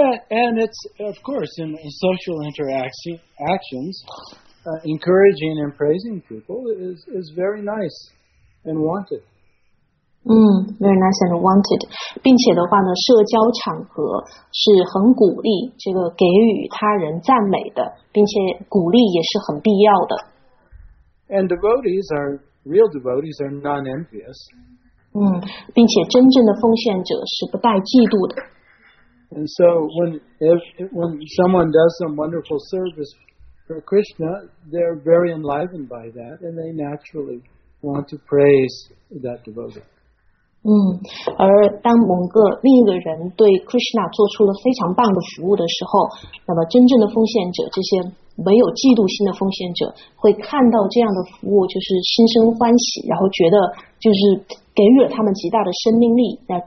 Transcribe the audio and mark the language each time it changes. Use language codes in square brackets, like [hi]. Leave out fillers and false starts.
[en] And it's, of course, in social interactions, encouraging and praising people is very nice and wanted. Very nice and wanted. [zh] 并且的话呢，社交场合是很鼓励这个给予他人赞美的，并且鼓励也是很必要的。 [en] And devotees are, real devotees are non-envious. [zh] 并且真正的奉献者是不带嫉妒的。 [en] And so when someone does some wonderful service for Krishna, they're very enlivened by that, and they naturally want to praise that devotee. [zh] 而当某个另一个人对 Krishna 做出了非常棒的服务的时候，那么真正的奉献者，这些没有嫉妒心的奉献者，会看到这样的服务，就是心生欢喜，然后觉得就是给予了他们极大的生命力。